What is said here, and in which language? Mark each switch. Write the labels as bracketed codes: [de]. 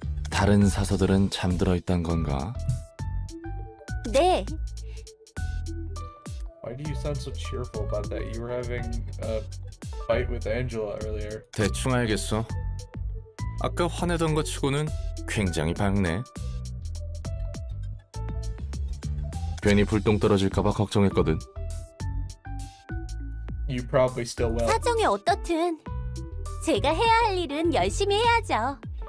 [ko] 다른 사서들은 잠들어 있던 건가? 네. [en] Why do you sound so cheerful about that? You were having a fight with Angela earlier. [ko] 대충 알겠어. 아까 화내던 것 치고는 굉장히 밝네. 괜히 불똥 떨어질까봐 걱정했거든. [en] You probably still will. [ko] 사정이 어떻든 제가 해야 할 일은 열심히 해야죠.